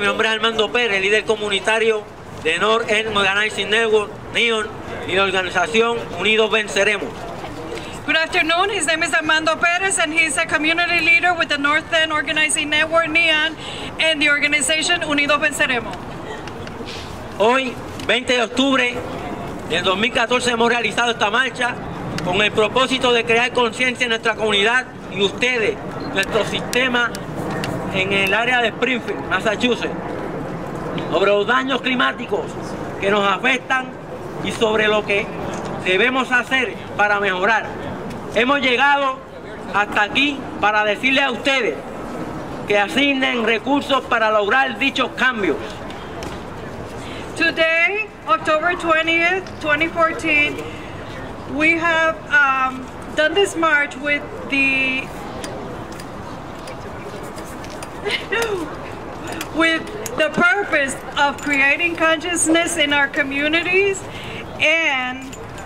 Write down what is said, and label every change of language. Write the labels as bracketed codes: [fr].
[es] Mi nombre es Armando Pérez, líder comunitario de North End Organizing Network, NEON, y la organización Unidos Venceremos. [en] Good afternoon. His name is Armando Pérez, and he's a community leader with the North End Organizing Network, NEON, and the organization Unidos Venceremos. [es] Hoy, 20 de octubre del 2014, hemos realizado esta marcha con el propósito de crear conciencia en nuestra comunidad y ustedes, nuestro sistema en el área de Springfield, Massachusetts, sobre los daños climáticos que nos afectan y sobre lo que debemos hacer para mejorar. Hemos llegado hasta aquí para decirle a ustedes que asignen recursos para lograr dichos cambios. [en] Today, October 20th, 2014, we have done this march with the with the purpose of creating consciousness in our communities and